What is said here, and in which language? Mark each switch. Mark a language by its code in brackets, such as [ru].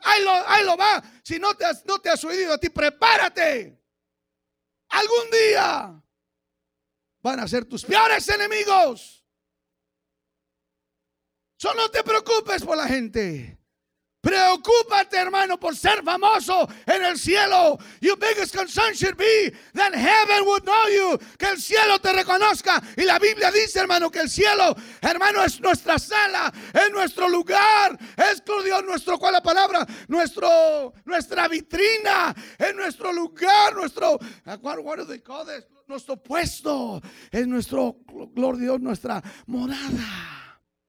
[es] Ahí lo va. Si no te has oído a ti, prepárate. Algún día van a ser tus peores enemigos. Solo no te preocupes por la gente. Preocúpate, hermano, por ser famoso en el cielo. [en] Your biggest concern should be that heaven would know you. [es] Que el cielo te reconozca. Y la Biblia dice, hermano, que el cielo, hermano, es nuestra sala, es nuestro lugar, es tu Dios, nuestro, ¿cuál la palabra? Nuestra vitrina, es nuestro lugar, nuestro, [en] what do they call this? [es] Nuestro puesto, es nuestro, gloria a Dios, nuestra morada.